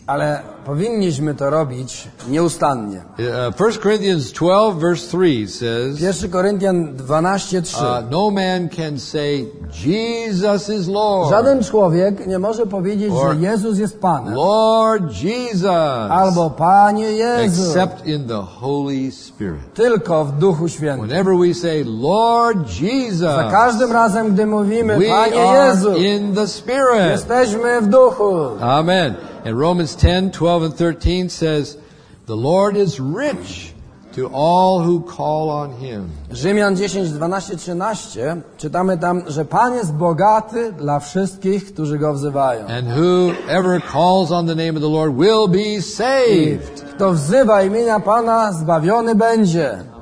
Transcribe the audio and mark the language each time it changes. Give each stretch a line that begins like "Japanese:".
Polish: Ale powinniśmy to robić nieustannie.
English: 1 Corinthians 12 verse 3 says.
Polish: 1 Koryntian 12:3.
English: No man can say Jesus is Lord.
Polish: Żaden człowiek nie może powiedzieć, że Jezus jest Panem.
English: Lord Jesus.
Polish: Albo Panie Jezu.
English: Except in the Holy Spirit.
Polish: Tylko w Duchu Świętym.
English: Whenever we say Lord Jesus.
Polish: Za każdym razem, gdy mówimy Panie Jezu.
English: We are in the Spirit.
Polish: Jesteśmy w Duchu.
English: Amen. And Romans 10, 12 and 13 says, the Lord is rich to all who call on him.
Polish: Rzymian 10, 12, 13 czytamy tam, że Pan jest bogaty dla wszystkich, którzy go wzywają.
English: And whoever calls on the name of the Lord will be saved.
Polish: I kto wzywa imienia Pana, zbawiony będzie.